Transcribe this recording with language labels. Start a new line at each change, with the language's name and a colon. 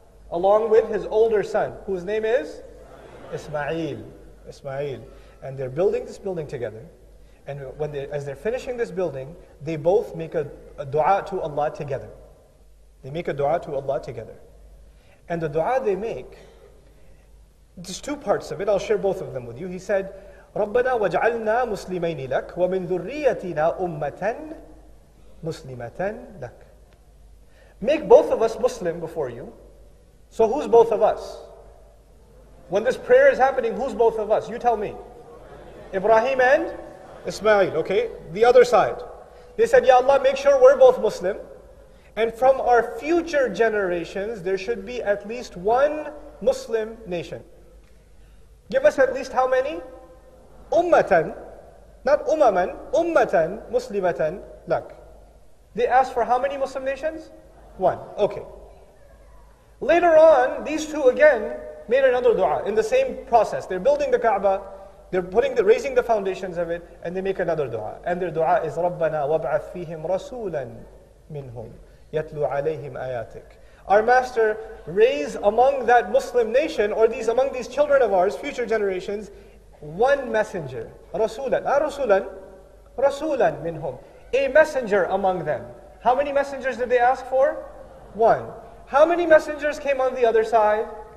English: Along with his older son, whose name is? Ismail. Ismail. And they're building this building together. And when as they're finishing this building, they both make a dua to Allah together. They make a dua to Allah together. And the dua they make, there's two parts of it, I'll share both of them with you. He said,
Arabic: رَبَّنَا وَجْعَلْنَا مُسْلِمَيْنِ لَكْ وَمِنْ ذُرِّيَّتِنَا أُمَّةً مُسْلِمَةً لَكْ.
English: Make both of us Muslim before you. So who's both of us? When this prayer is happening, who's both of us? You tell me. Ibrahim and? Ismail, okay? The other side. They said, Ya Allah, make sure we're both Muslim. And from our future generations, there should be at least one Muslim nation. Give us at least how many? Ummatan. Not umaman. Ummatan muslimatan lak. They asked for how many Muslim nations? One. Okay. Later on, these two again made another dua in the same process. They're building the Kaaba. They're raising the foundations of it, and they make another dua. And their dua is
Arabic: رَبَّنَا وَابْعَثْ فِيهِمْ رَسُولًا مِّنْهُمْ يَتْلُوا عَلَيْهِمْ آيَاتِكَ.
English: Our Master, raise among that Muslim nation, or among these children of ours, future generations, one messenger. رَسُولًا. Not رَسُولًا.
Arabic: رَسُولًا مِّنْهُمْ.
English: A messenger among them. How many messengers did they ask for? One. How many messengers came on the other side?